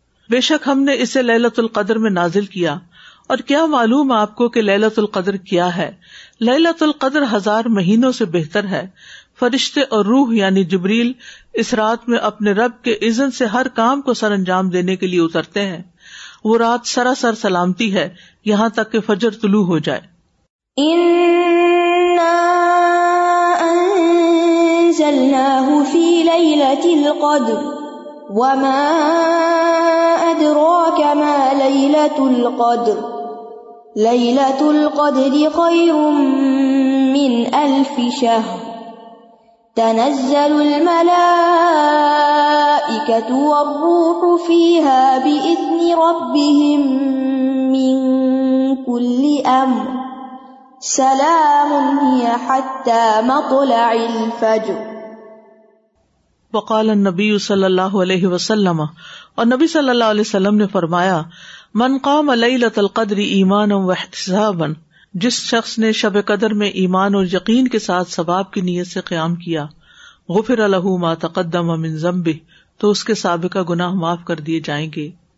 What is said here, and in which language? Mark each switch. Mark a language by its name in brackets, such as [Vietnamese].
[Urdu] بے شک ہم نے اسے لیلۃ القدر میں نازل کیا، اور کیا معلوم آپ کو کہ لیلۃ القدر کیا ہے؟ لیلۃ القدر ہزار مہینوں سے بہتر ہے. فرشتے اور روح یعنی جبریل اس رات میں اپنے رب کے اذن سے ہر کام کو سر انجام دینے کے لیے اترتے ہیں. وہ رات سراسر سلامتی ہے یہاں تک کہ فجر طلوع ہو جائے. [Arabic] انا انزلناه فی لیلۃ القدر وما ادراک ما لیلۃ القدر لیلۃ القدر خیر من الف شهر تنزل الملائكة والروح فيها بإذن ربهم من كل أمر سلام هي حتى مطلع الفجر. وقال النبي صلى الله عليه وسلم، [Urdu] اور نبی صلی اللہ علیہ وسلم نے فرمایا [Arabic] من قام ليلة القدر ایمانا واحتسابا، [Urdu] جس شخص نے شب قدر میں ایمان اور یقین کے ساتھ ثواب کی نیت سے قیام کیا [Arabic] غفر له ما تقدم من ذنبه، [Urdu] تو اس کے سابقہ گناہ معاف کر دیے جائیں گے.